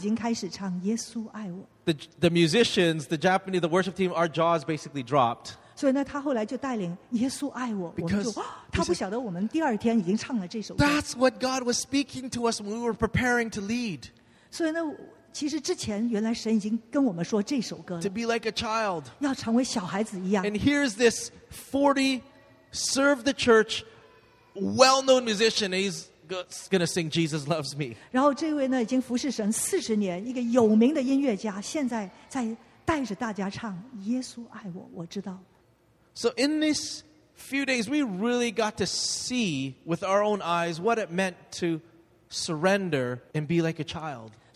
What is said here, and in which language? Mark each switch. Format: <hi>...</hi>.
<zh>他那个时候还不晓得他要带领我们之前他已经开始唱耶稣爱我。</zh> <en>The musicians, the Japanese, the worship team, our jaws basically dropped.</en> <zh>所以呢，他后来就带领耶稣爱我。我们就，他不晓得我们第二天已经唱了这首歌。</zh> <en>That's what God was speaking to us when we were preparing to lead.</en> <zh>所以呢, 其实之前原来神已经跟我们说这首歌了。</zh> <en>To be like a child.</en> <zh>要成为小孩子一样。</zh> <en>And here's this 40 serve the church well-known musician. He's going to sing Jesus Loves Me.</en> <zh>然后这位呢已经服侍神40年，一个有名的音乐家， 现在在带着大家唱耶稣爱我，我知道。</zh> <en>So in these few days, we really got to see with our own eyes what it meant to surrender and be like a child.</en>